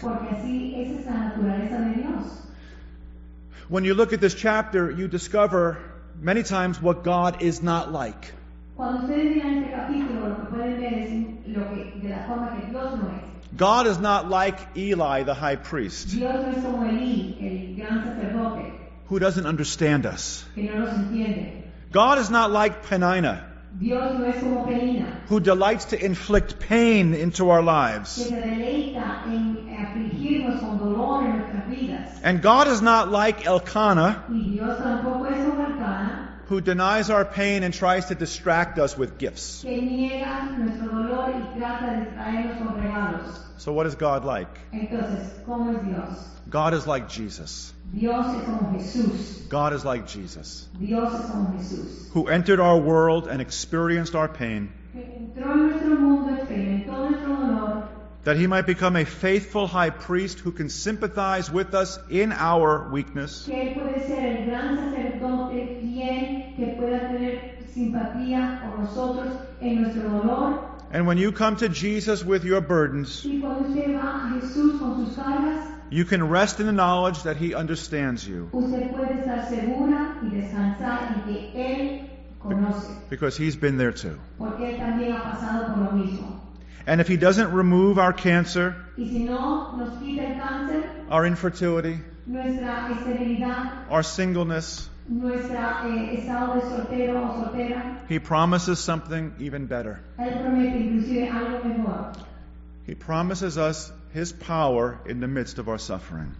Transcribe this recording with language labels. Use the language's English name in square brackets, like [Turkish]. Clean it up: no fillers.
[Spanish] Porque así es esa naturaleza de Dios. [English] When you look at this chapter, you discover many times what God is not like. [Spanish] Cuando ustedes miran este capítulo, lo que pueden ver es lo que, de la forma que Dios no es. [English] God is not like Eli, the high priest. [Spanish] Dios no es como Eli, el gran sacerdote. [English] Who doesn't understand us. [Spanish] Que no nos entiende. [English] God is not like Penina. [Spanish] Dios no es como Penina, [English] who delights to inflict pain into our lives. [Spanish] Que se deleita en afligirnos con dolor en nuestras vidas. [English] And God is not like Elkanah, [Spanish] y Dios tampoco es como Elkanah, [English] who denies our pain and tries to distract us with gifts. [Spanish] Que niega nuestro dolor y trata de distraernos con regalos. [English] So what is God like? [Spanish] Entonces, ¿cómo es Dios? [English] God is like Jesus. [Spanish] Dios es como Jesús. [English] God is like Jesus. [Spanish] Dios es como Jesús. [English] Who entered our world and experienced our pain. [Spanish] Entró en nuestro mundo, experimentó nuestro dolor. [English] That he might become a faithful high priest who can sympathize with us in our weakness. [Spanish] Que él puede ser el gran sacerdote fiel que pueda tener simpatía con nosotros en nuestro dolor. [English] And when you come to Jesus with your burdens, [Spanish] y cuando usted va a Jesús con sus cargas, [English] you can rest in the knowledge that he understands you. [Spanish] Usted puede estar segura y descansar en que él conoce. [English] Because he's been there too. [Spanish] Porque él también ha pasado por lo mismo. [English] And if he doesn't remove our cancer, [Spanish] y si no, nos quita el cáncer, [English] our infertility, [Spanish] nuestra esterilidad, [English] our singleness, [Spanish] nuestra, estado de soltero o soltera, [English] he promises something even better. [Spanish] Él promete inclusive algo mejor. [English] He promises us his power in the midst of our suffering.